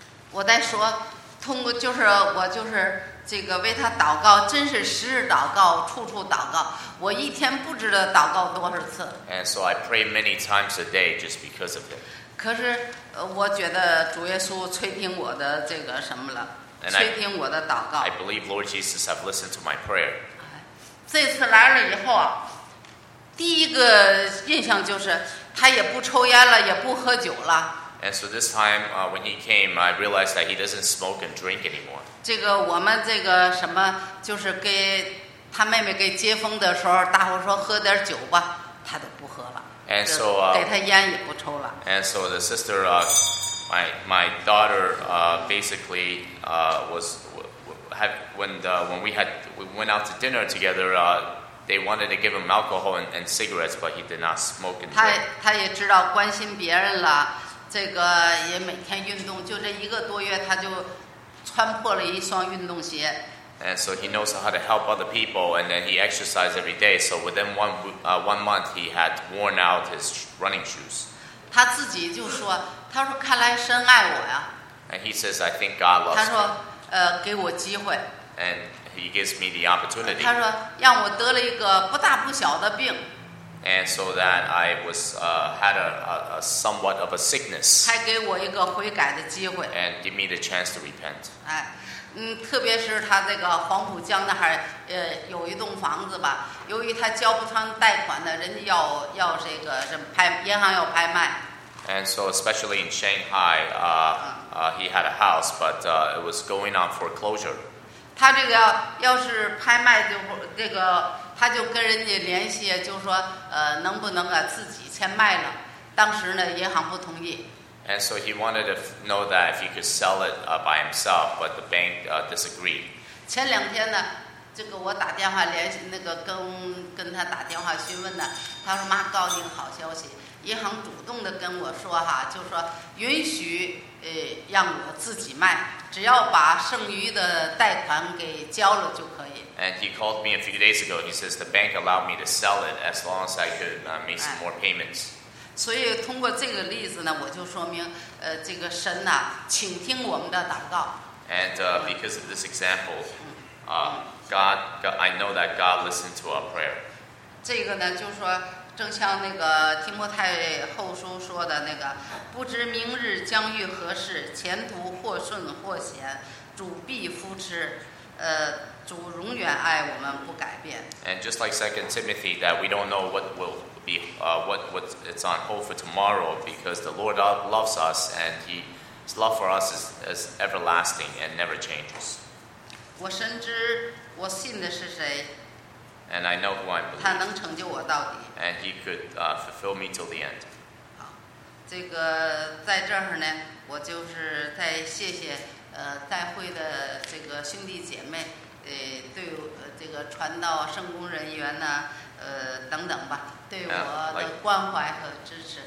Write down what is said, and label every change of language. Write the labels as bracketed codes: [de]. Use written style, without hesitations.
[zh] 我在说，通过就是我就是这个为他祷告，真是时日祷告，处处祷告。我一天不知道祷告多少次。 [en] And so I pray many times a day just because of it. [zh] 可是，我觉得主耶稣垂听我的这个什么了，垂听我的祷告。 [en] I believe Lord Jesus have listened to my prayer. [zh] 这次来了以后啊，第一个印象就是。他也不抽烟了，也不喝酒了。 [en] And so this time, when he came, I realized that he doesn't smoke and drink anymore. [zh] 这个我们这个什么，就是给他妹妹给接风的时候，大伙说喝点酒吧，他都不喝了。 [en] And so [zh] 给他烟也不抽了。 [en] And so the sister, my daughter, basically was had when we went out to dinner together. They wanted to give him alcohol and cigarettes, but he did not smoke and drink. [zh] 他也知道关心别人了，这个也每天运动，就这一个多月，他就穿破了一双运动鞋。 [en] And so he knows how to help other people, and then he exercises every day. So within one month, he had worn out his running shoes. [zh] 他自己就说，他说看来神爱我呀。 [en] And he says, I think God loves me. [zh] 他说，给我机会。 [en] And he gives me the opportunity. [zh] 他说让我得了一个不大不小的病。 [en] And so that I was, had a somewhat of a sickness. [zh] 还给我一个悔改的机会。 [en] And give me the chance to repent. [zh] 特别是他这个黄浦江那儿，有一栋房子吧，由于他交不上贷款呢，人家要这个什么拍，银行要拍卖。 [en] And so especially in Shanghai, he had a house, but it was going on foreclosure. [zh] 他这个要是拍卖就这个他就跟人家联系，就说能不能自己先卖了。当时呢银行不同意。 [en] And so he wanted to know that if he could sell it by himself, but the bank disagreed. [zh] 前两天呢这个我打电话联系那个跟他打电话询问呢，他说妈告诉你个好消息。银行主动地跟我说哈，就说允许让我自己卖，只要把剩余的贷款给交了就可以。 [en] And he called me a few days ago. He says the bank allowed me to sell it as long as I could make some more payments. [zh] 所以通过这个例子呢，我就说明这个神呐、啊，请听我们的祷告。 [en] And because of this example, God, I know that God listened to our prayer. [zh] 这个呢，就说。正像那个提摩太后书说的那个，不知明日将遇何事，前途或顺或险，主必扶持，主永远爱我们不改变。 [en] And just like 2 Timothy, that we don't know what will be, what it's on hold for tomorrow, because the Lord loves us, and His love for us is everlasting and never changes. [zh] 我深知我信的是谁。 [en] And I know who I believe. [zh] 他能成就我到底。 [en] And he could fulfill me till the end. [zh] 好，这个在这儿呢，我就是再谢谢在会的这个兄弟姐妹，对这个传道圣工人员呢，等等吧，对我的关怀和支持。